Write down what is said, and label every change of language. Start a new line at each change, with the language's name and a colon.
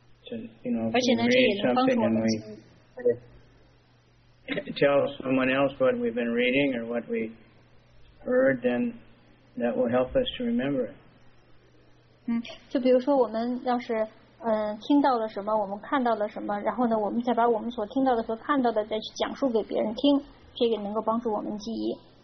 Chinese: 而且呢，这也能帮助我们。
English: Tell someone else what we've been reading or what we heard, then that will help us to remember it.
Chinese: 就比如说我们要是听到了什么，我们看到了什么，然后呢，我们再把我们所听到的和看到的再去讲述给别人听，这个能够帮助我们记忆。